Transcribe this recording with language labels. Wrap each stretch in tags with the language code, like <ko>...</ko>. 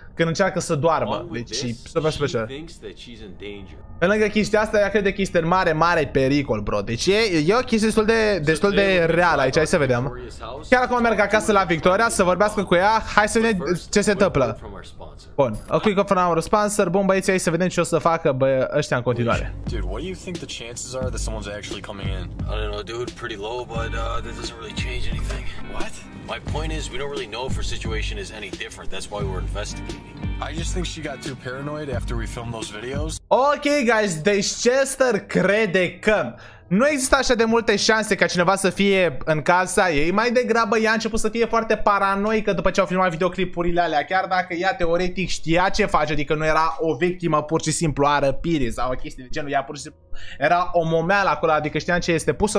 <ro>când încearcă să doarmă. Deci, super, super, super. Pe lângă chestia asta, ea crede că este în mare, mare pericol, bro. Deci e o chestie destul de, destul de reală aici, hai să vedem. Chiar acum merg acasă la Victoria să vorbească cu ea. Hai să vedem ce se întâmplă. Bun,</ro> <en>a quick from our sponsor.</en> <ro>Bun, băieții, hai să vedem ce o să facă ăștia în continuare.</ro> <en>Dude, what do you think the chances are that someone's actually coming in? I don't know, dude, pretty low, but that doesn't really change anything. What? My point is, we don't really know if her situation is any different. That's why we're investigating. I just think she got too paranoid after we filmed those videos.</en> <ro>Ok, guys, deci Chester crede că nu există așa de multe șanse ca cineva să fie în casa ei. Mai degrabă ea a început să fie foarte paranoică după ce au filmat videoclipurile alea. Chiar dacă ea teoretic știa ce face, adică nu era o victimă pur și simplu a răpirii sau o chestie de genul, ea pur și simplu era o momeală acolo, adică știa ce este pusă.</ro>